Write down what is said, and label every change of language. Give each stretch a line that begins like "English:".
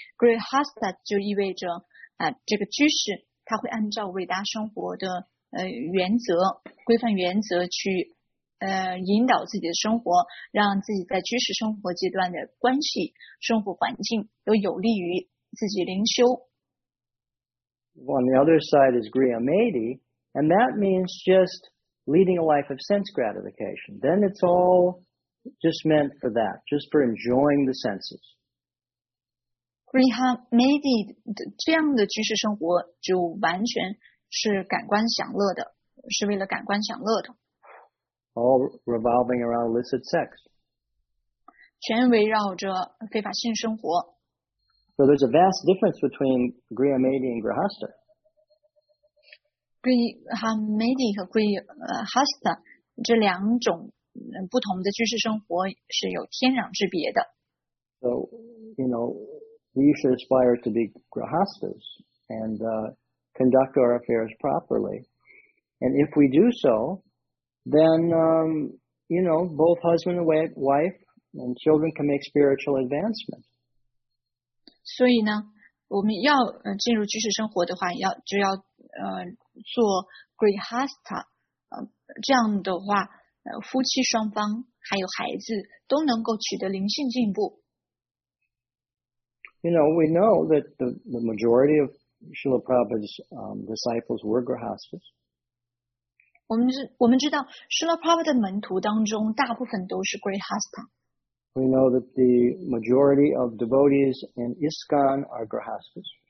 Chinese: grihastha 就意味着这个居士他会按照伟大生活的原则、规范原则去引导自己的生活，让自己在居士生活阶段的关系、生活环境都有利于自己灵修。
English: On the other side is grihamedi, and that means just leading a life of sense gratification. Then it's all just meant for that, just for enjoying the senses.
Chinese: Grihamedi 这样的居士生活就完全是感官享乐的，是为了感官享乐的。
English: All revolving around illicit sex.
Chinese: 全围绕着非法性生活。
English: So there's a vast difference between Grihamedi and Grihastha.
Chinese: Grihamedi 和 Grihastha 这两种不同的居士生活是有天壤之别的。
English: So, you know, we should aspire to be Grihasthas and conduct our affairs properly. And if we do so, then, you know, both husband and wife and children can make spiritual advancement.
Chinese: 所以呢，我们要进入居士生活的话，要就要做 grihastha， 这样的话，夫妻双方还有孩子都能够取得灵性进步。
English: You know, we know that the majority of Srila Prabhupada's disciples were grihasthas.
Chinese: 我们知道 Srila Prabhupada 的门徒当中大部分都是 grihastha。
English: We know that the majority of devotees in ISKCON are grihasthas.